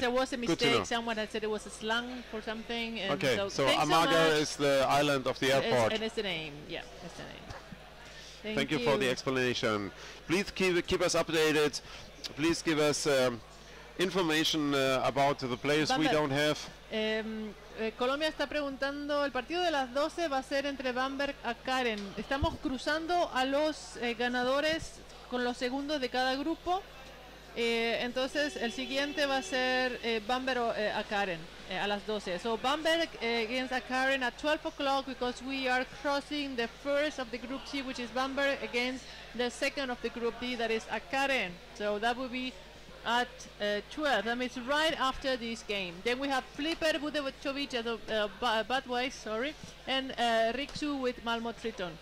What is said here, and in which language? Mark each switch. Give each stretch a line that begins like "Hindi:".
English: There was a mistake. Someone had said it was a slang for something. And okay, so Amager is the island of the airport. And it's the name. Yeah, it's the name. Thank you for the explanation. Please keep us updated. Please give us information about the players we don't have.
Spanish: Colombia está preguntando, el partido de las 12 va a ser entre Bamberg a Karen. Estamos cruzando a los ganadores con los segundos de cada grupo. Entonces el siguiente va a ser Bamberg a Karen a las 12.
English: So Bamberg against a Karen at 12 o'clock because we are crossing the first of the group C, which is Bamberg against the second of the group D, that is a Karen. So that will be at 12. That means right after this game. Then we have Flipper Budevčović at Badway, and Riksu with Malmo Triton.